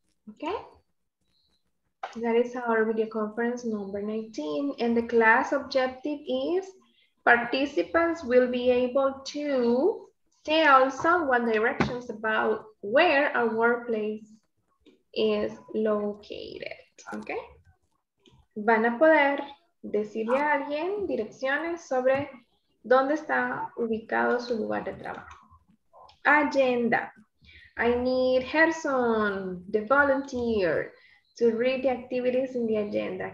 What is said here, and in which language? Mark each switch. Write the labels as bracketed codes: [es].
[en] Okay. That is our video conference number 19. And the class objective is participants will be able to tell someone directions about where a workplace is located. Okay. [es] Van a poder decirle a alguien direcciones sobre dónde está ubicado su lugar de trabajo. [en] Agenda. I need Gerson, the volunteer, to read the activities in the agenda.